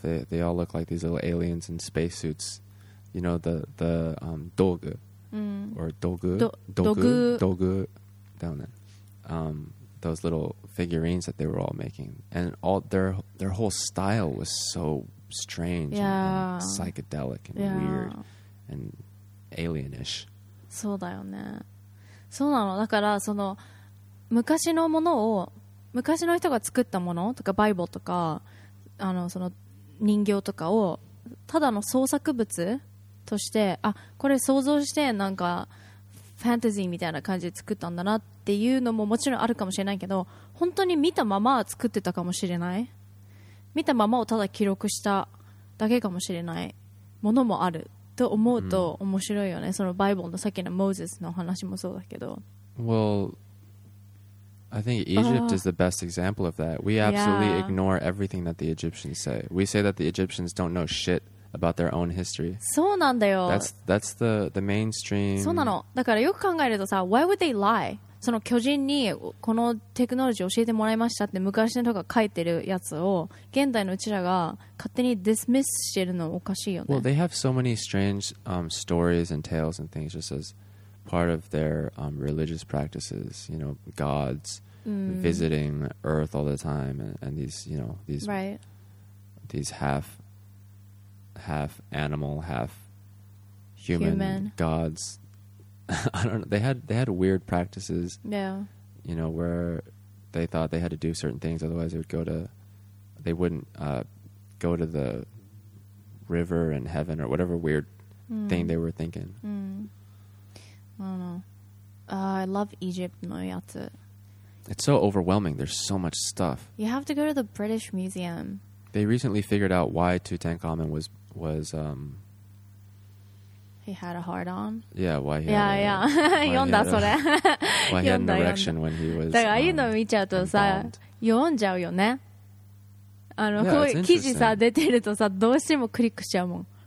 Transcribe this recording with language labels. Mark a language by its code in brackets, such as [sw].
[en] They all look like these little aliens in spacesuits. You know the dogu or dogu down there. Those little. Figurines that they were all making and all their whole style was so strange and psychedelic and weird and alienish [ja] そうだよねそうなのだからその昔のものを昔の人が作ったものとかバイブルとかあのその人形とかをただの創作物としてあこれ想像してなんかファンタジーみたいな感じで作ったんだなっていうのももちろんあるかもしれないけど本当に見たまま作ってたかもしれない見たままをただ記録しただけかもしれないものもあると思うと面白いよね、そのバイブルのさっきのモーゼスの話もそうだけど [en] Well, I think Egypt is the best example of that. We absolutely ignore everything that the Egyptians say. We say that the Egyptians don't know shit about their own history. [ja] そうなんだよ。 [en] That's the mainstream. [ja] そうなの。だからよく考えるとさ、 [en] why would they lie? [ja] その巨人にこのテクノロジー教えてもらいましたって昔の人が書いてるやつを現代のうちらが勝手に dismiss してるのおかしいよね。 [en] Well, they have so many strange stories and tales and things just as part of their religious practices. You know, gods visiting Earth all the time and these, you know, these, these half animal, half human gods. I don't know. They had weird practices. Yeah. You know, where they thought they had to do certain things, otherwise they wouldn't go to the river and heaven or whatever weird thing they were thinking. I don't know. I love Egypt. It's so overwhelming. There's so much stuff. You have to go to the British Museum. They recently figured out why Tutankhamun was he had a hard on. Yeah, why he yeah, had A, [ja] why 読んだそれ。 [en] Why he had an erection when he was [ja] だからああいうの見ちゃうとさ、読んじゃうよね。あの、 [en] yeah, [ja] こういう記事さ、出てるとさ、どうしてもクリックしちゃうもん。